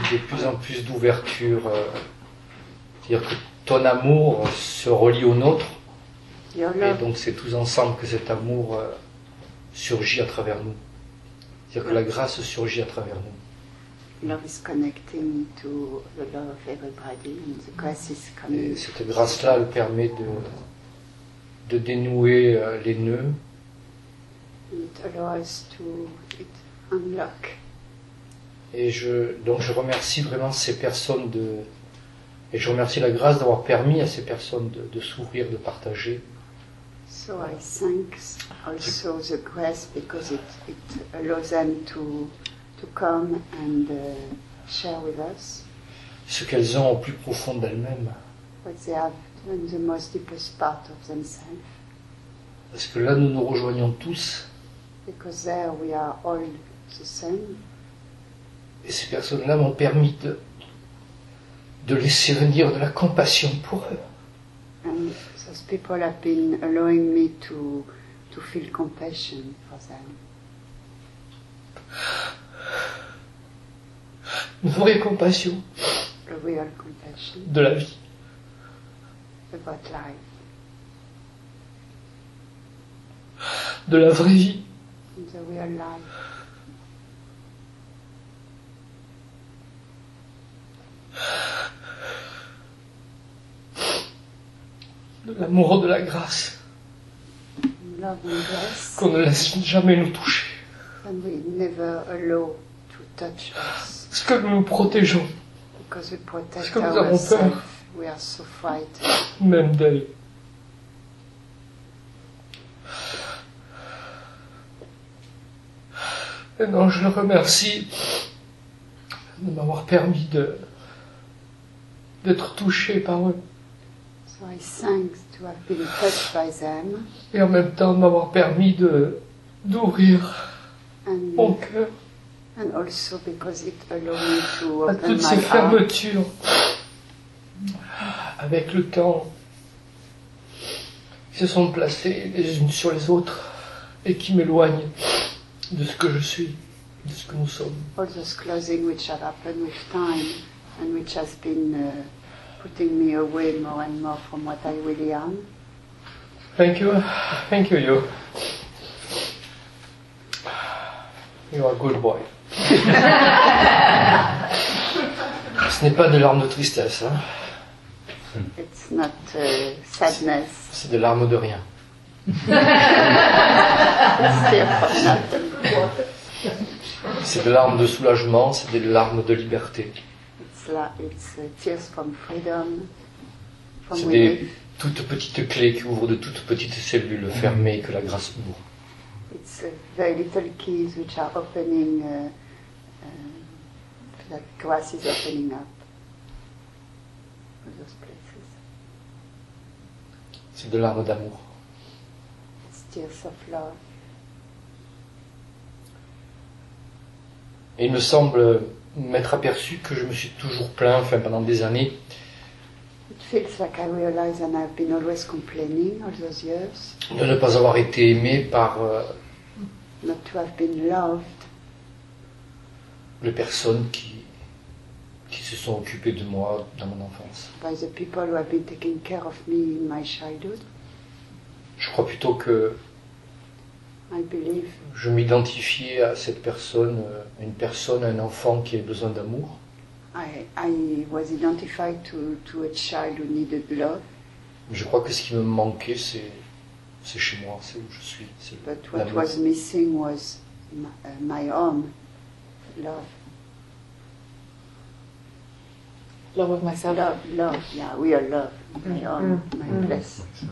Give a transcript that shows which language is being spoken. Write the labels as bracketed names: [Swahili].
[French] De plus en plus d'ouverture, c'est-à-dire que ton amour se relie au nôtre, et donc c'est tous ensemble que cet amour surgit à travers nous, c'est-à-dire que la grâce surgit à travers nous. [English] Love is connecting to the love of everybody, and the grace is coming. [French] Et cette grâce-là, elle permet de dénouer les nœuds. [English] It allows to unlock. [French] Et je remercie vraiment ces personnes et je remercie la grâce d'avoir permis à ces personnes de s'ouvrir, de partager. [English] So I thank also the grace because it allows them to come and share with us. [French] Ce qu'elles ont au plus profond d'elles-mêmes. [English] What they have in the most deepest part of themselves. [French] Parce que là nous nous rejoignons tous. [English] Because there we are all the same. [French] Et ces personnes-là m'ont permis de laisser venir de la compassion pour eux. [English] And those people have been allowing me to feel compassion for them. [French] Une vraie compassion. [English] A real compassion. [French] De la vie. [English] About life. [French] De la vraie vie. [English] The real life. [French] De l'amour, de la grâce. [English] Love and grace. [French] Qu'on ne laisse jamais nous toucher. [English] And we never allow to touch us. [French] Parce que nous nous protégeons. [English] Because we protect ourselves. [French] Parce que nous avons peur. [English] We are so frightened. [French] Même d'elle. Et non, je le remercie de m'avoir permis d'être touché par eux. [English] So I thank to have been touched by them. [French] Et en même temps de m'avoir permis d'ouvrir mon cœur. [English] And also because it allowed me to open my heart. [French] À toutes ces fermetures. Avec le temps, qui se sont placées les unes sur les autres et qui m'éloignent de ce que je suis. De ce que nous sommes. [English] All those closing which have happened with time and which has been putting me away more and more from what I really am. Thank you. You are a good boy. [French] Ce n'est pas de larmes de tristesse. Hein? [English] It's not sadness. [French] C'est de larmes de rien. C'est des larmes de soulagement, c'est des larmes de liberté. [English] It's tears from freedom, from [French] c'est [English] relief. [French] Des toutes petites clés qui ouvrent de toutes petites cellules fermées que la grâce ouvre. [English] It's very little keys which are opening, that grass is opening up. Those places. [French] C'est des larmes d'amour. [English] It's tears of love. [French] Et il me semble m'être aperçu que je me suis toujours plaint, enfin pendant des années. [English] It feels like I realize and I've been always complaining all those years. [French] De ne pas avoir été aimé par. [English] Not to have been loved. [French] Les personnes qui se sont occupées de moi dans mon enfance. [English] By the people who have been taking care of me in my childhood. [French] Je crois plutôt que. [English] I believe. [French] Je m'identifiais à cette personne, une personne, un enfant qui a besoin d'amour. [English] I was identified to a child who needed love. [French] Je crois que ce qui me manquait, c'est chez moi, c'est où je suis. C'est [English] But what l'amour. Was missing was my home, love. Love of myself. Love, yeah, we are love, my home, my place.